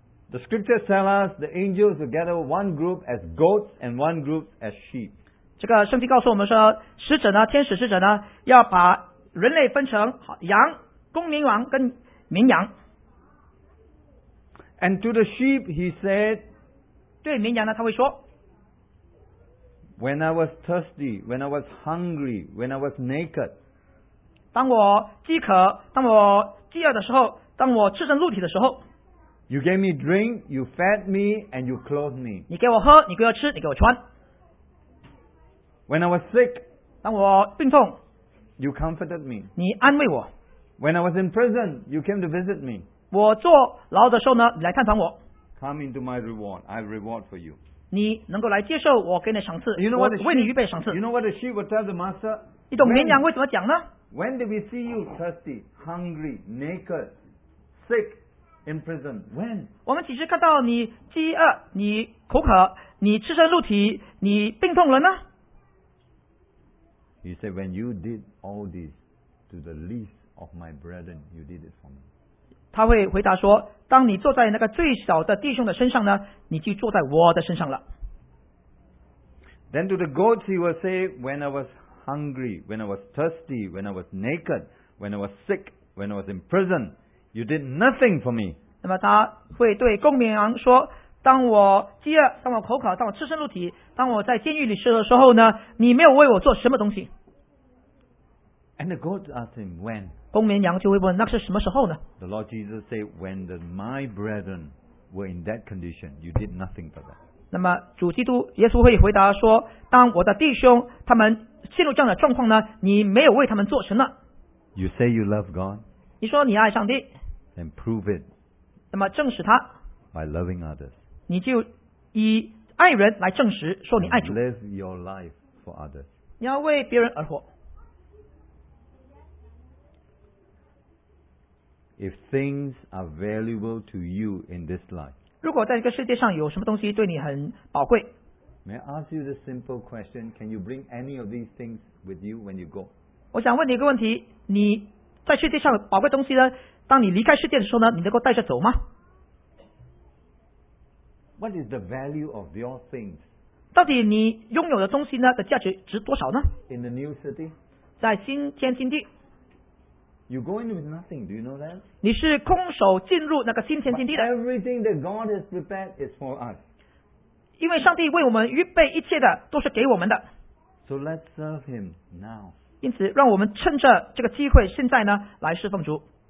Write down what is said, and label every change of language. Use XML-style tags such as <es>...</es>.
<en>The scriptures tell us the angels will gather one group as goats and one group as sheep.</en> <zh>这个圣经告诉我们说，使者呢，天使使者呢，要把人类分成羊、公绵羊跟绵羊。</zh> <en>And to the sheep he said,</en> <zh>对绵羊呢，他会说，</zh> <en>When I was thirsty, when I was hungry, when I was naked.</en> <zh>当我饥渴，当我饥饿的时候，当我赤身露体的时候。</zh> <en>You gave me drink, you fed me, and you clothed me.</en> <zh>你给我喝，你给我吃，你给我穿。</zh> <en>When I was sick,</en> <zh>当我病痛。</zh> <en>You comforted me.</en> <zh>你安慰我。</zh> <en>When I was in prison, you came to visit me.</en> <zh>我坐牢的时候呢，你来探访我。</zh> <en>Come into my reward, I have reward for you.</en> <zh>你能够来接受我给你赏赐，</zh> <en>you know what the sheep,</en> <zh>我为你预备赏赐。</zh> <en>You know what the sheep will tell the master?</en> <zh>你懂绵羊会怎么讲呢？</zh> <en>When did we see you thirsty, hungry, naked, sick, in prison? When?</en> <zh>我们几时看到你饥饿，你口渴，你赤身露体，你病痛了呢？</zh> <en>He said, when you did all this to the least of my brethren, you did it for me.</en> <zh>他会回答说，当你坐在那个最小的弟兄的身上呢，你就坐在我的身上了。</zh> <en>Then to the goats he will say, when I was hungry, when I was thirsty, when I was naked, when I was sick, when I was in prison, you did nothing for me.</en> <zh>那么他会对公绵羊说，当我饥饿，当我口渴，当我赤身露体，当我在监狱里的时候呢，你没有为我做什么东西。</zh> <en>And the goats asked him, when?</en> <zh>公绵羊就会问，那是什么时候呢？</zh> <en>The Lord Jesus said, when the, my brethren,were in that condition, you did nothing for that.</en> <zh>那么主基督耶稣会回答说，当我的弟兄他们陷入这样的状况呢，你没有为他们做什么。</zh> <en>You say you love God.</en> <zh>你说你爱上帝。</zh> <en>Then prove it.</en> <zh>那么证实他。</zh> <en>By loving others.</en> <zh>你就以爱人来证实说你爱主。</zh> <en>Live your life for others.</en> <zh>你要为别人而活。</zh> <en>If things are valuable to you in this life,</en> <zh>如果在这个世界上有什么东西对你很宝贵，</zh> <en>May I ask you this simple question? Can you bring any of these things with you when you go?</en> <zh>我想问你一个问题，你在世界上宝贵东西呢，当你离开世界的时候呢，你能够带着走吗？</zh> <en>What is the value of your things?</en> <zh>到底你拥有的东西呢的价值值多少呢？</zh> <en>In the new city?</en> <zh>在新天新地。</zh> <en>You go in with nothing, do you know that?</en> <zh>你是空手进入那个新天新地的。</zh> <en>Everything that God has prepared is for us.</en> <zh>因为上帝为我们预备一切的都是给我们的。</zh> <en>So let's serve him now.</en> <zh>因此让我们趁着这个机会现在呢来侍奉主。</zh>